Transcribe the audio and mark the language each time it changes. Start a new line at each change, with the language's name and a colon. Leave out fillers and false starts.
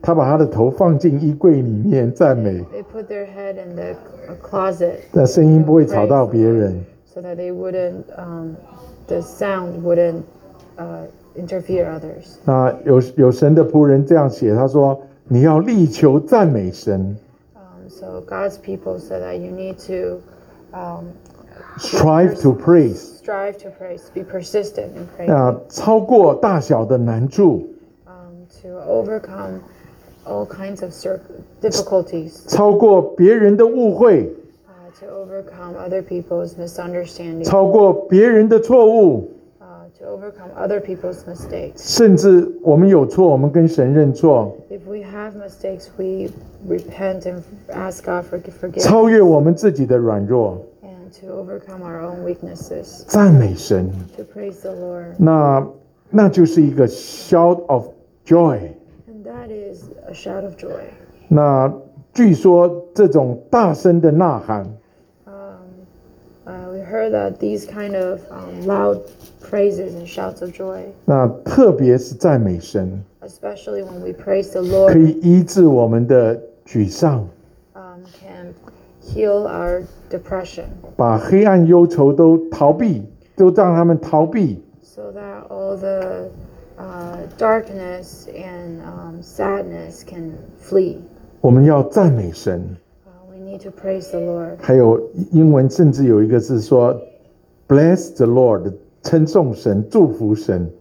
Chinese: 他把他的头放进衣柜里面赞美。
English: They put their head in the closet.
Chinese: 那声音不会吵到别人。
English: So that they wouldn't, the sound wouldn't, interfere others.
Chinese: 那有神的仆人这样写，他说你要力求赞美神。
English: So God's people said that you need to, strive to praise. Strive to praise. Be persistent in praise.
Chinese: 那超过大小的难处。
English: To overcome all kinds of difficulties.
Chinese: 超过别人的误会。
English: to overcome other people's misunderstandings.
Chinese: 超过别人的错误。
English: To overcome other people's mistakes.
Chinese: 甚至我们有错，我们跟神认错。
English: If we have mistakes, we repent and ask God for forgiveness.
Chinese: 超越我们自己的软弱。
English: And to overcome our own weaknesses.
Chinese: 赞美神。
English: To praise the Lord.
Chinese: 那就是一个
English: shout of joy. And that is a shout of joy.
Chinese: 那据说这种大声的呐喊。
English: We heard that these kind of loud praises and shouts of joy.
Chinese: 那特别是赞美神。
English: Especially when we praise the Lord.
Chinese: 可以医治我们的沮丧。
English: Can heal our depression.
Chinese: 把黑暗忧愁都逃避，都让他们逃避。
English: So that all the darkness and sadness can flee.
Chinese: 我们要赞美神。
English: To praise the Lord.
Chinese: 还有英文甚至有一个是说
English: Bless the Lord,
Chinese: 称颂神，祝福神。